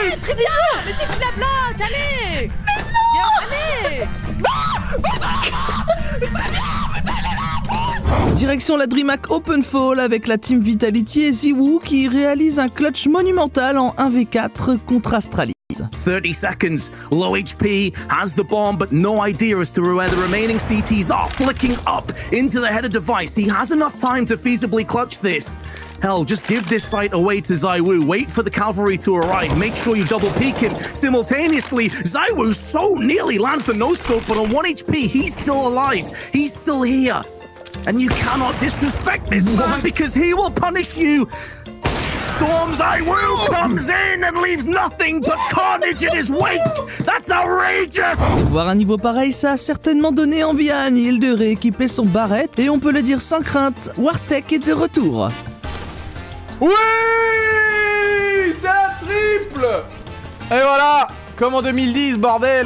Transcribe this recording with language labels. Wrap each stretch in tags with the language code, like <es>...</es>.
<fr>Allez, Trivia. Mais si tu la bloques, allez. Mais non. Viens, allez. Non. Direction la DreamHack Open Fall avec la team Vitality et Ziwoo qui réalise un clutch monumental en 1v4 contre Astralis.</fr> <en>30 seconds, low HP, has the bomb but no idea as to where the remaining CTs are, flicking up into the header device. He has enough time to feasibly clutch this. Hell, just give this fight away to Ziwoo. Wait for the cavalry to arrive. Make sure you double peek him simultaneously. Ziwoo so nearly lands the no scope but on 1 HP he's still alive. He's still here. And you cannot disrespect this man, what? Because he will punish you. Storm Ziwoo comes in and leaves nothing but carnage in his wake. That's outrageous.</en> <fr>Voir un niveau pareil, ça a certainement donné envie à Anil de rééquiper son barrette. Et on peut le dire sans crainte, Wartek est de retour. Oui, c'est la triple. Et voilà. Comme en 2010, bordel!</fr>